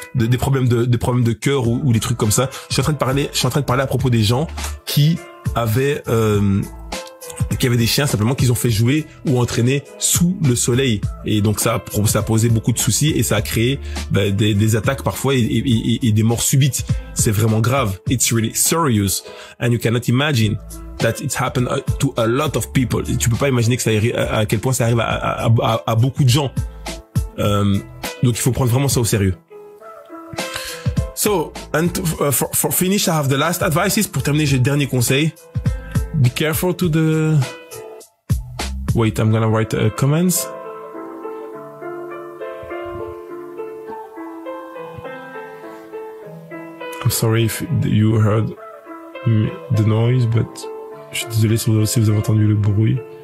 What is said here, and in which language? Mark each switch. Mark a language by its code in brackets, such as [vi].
[fr] des problèmes de cœur ou des trucs comme ça. Je suis en train de parler à propos des gens qui avaient des chiens simplement qu'ils ont fait jouer ou entraîner sous le soleil, et donc ça a posé beaucoup de soucis et ça a créé des attaques parfois et des morts subites. C'est vraiment grave. [en] It's really serious and you cannot imagine that it's happened to a lot of people. [fr] Tu peux pas imaginer que ça arrive, à quel point ça arrive à beaucoup de gens. Donc il faut prendre vraiment ça au sérieux. [en] So and for finish, I have the last advices. [fr] Pour terminer, j'ai le dernier conseil. [en] Be careful to the... Wait, I'm gonna write comments. I'm sorry if you heard the noise, but... [fr] Je suis désolé si vous avez entendu le bruit.